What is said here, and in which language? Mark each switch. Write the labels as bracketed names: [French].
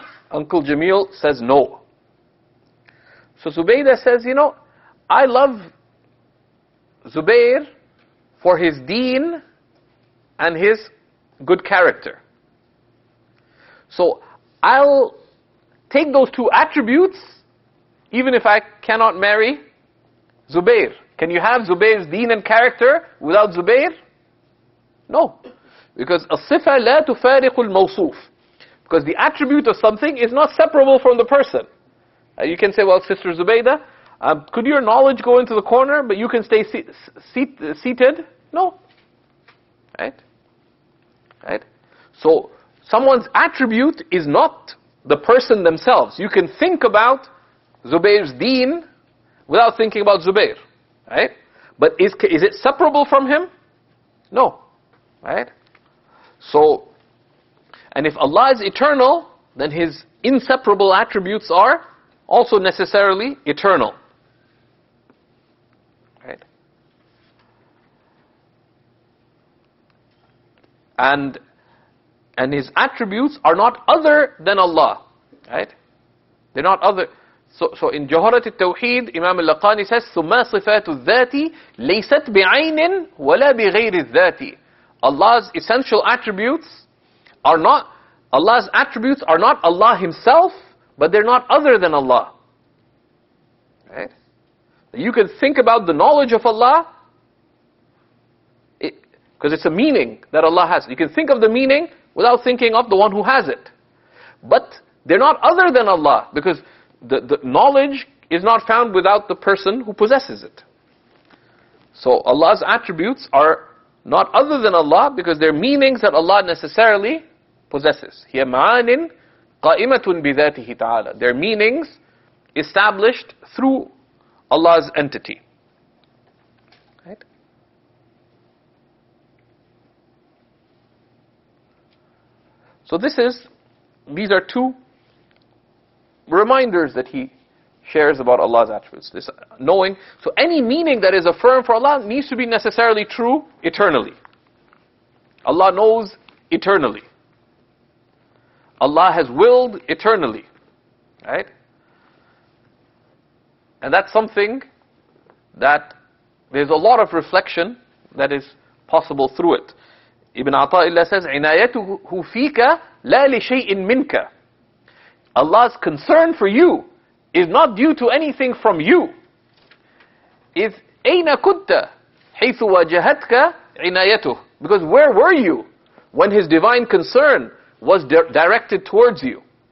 [English] Uncle Jamil says no. So Zubaydah says, you know, I love Zubayr for his deen and his good character. So I'll take those 2 attributes even if I cannot marry Zubayr. Can you have Zubayr's deen and character without Zubayr? No. Because [Arabic] الصفة لا تفارق الموصوف. [English] Because the attribute of something is not separable from the person. You can say, well, Sister Zubaydah, could your knowledge go into the corner, but you can stay seated? No. Right? Right? So, someone's attribute is not the person themselves. You can think about Zubayr's deen without thinking about Zubayr. Right? But is it separable from him? No. Right? So, and if Allah is eternal, then His inseparable attributes are also necessarily eternal. Right? And His attributes are not other than Allah. Right? They're not other. So in Jawharat al-Tawheed, Imam al-Laqani says, [Arabic] ثُمَّا صِفَاتُ الذَّاتِ لَيْسَتْ بِعَيْنٍ وَلَا بِغَيْرِ الذَّاتِ. [English] Allah's essential attributes are not, Allah's attributes are not Allah Himself, but they're not other than Allah. Right? You can think about the knowledge of Allah, Because it's a meaning that Allah has. You can think of the meaning without thinking of the one who has it. But they're not other than Allah, because the knowledge is not found without the person who possesses it. So Allah's attributes are not other than Allah, because they're meanings that Allah necessarily possesses. [Arabic] هي معان قائمة بذاته تعالى. [English] They're meanings established through Allah's entity. Right? So these are two reminders that he shares about Allah's attributes. This knowing, so any meaning that is affirmed for Allah needs to be necessarily true eternally. Allah knows eternally. Allah has willed eternally. Right? And that's something that there's a lot of reflection that is possible through it. Ibn Ata'illah says, [Arabic] عِنَايَتُهُ فِيكَ لَا لِشَيْءٍ مِنْكَ. [English] Allah's concern for you is not due to anything from you. [Arabic] Is أَيْنَ كُنْتَ حَيْثُ وَجَهَتْكَ عِنَايَتُهُ. [English] Because where were you when His divine concern was directed towards you?